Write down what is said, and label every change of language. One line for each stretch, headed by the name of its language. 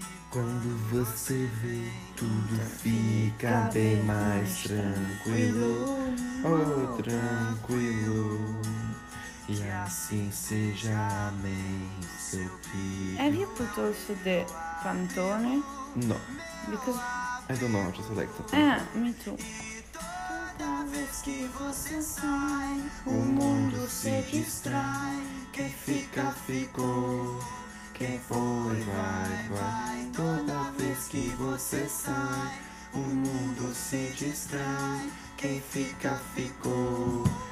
Portuguese: Quando você vê, tudo fica bem mais tranquilo. Oh, tranquilo. E assim seja, amém, seu filho.
English: Have you put also the Pantone? No. Because... I don't know how to select it. Ah, me too.
Portuguese: O mundo se distrai, quem fica, ficou. Quem foi, vai, vai. Toda vez que você sai, o mundo se distrai, quem fica, ficou.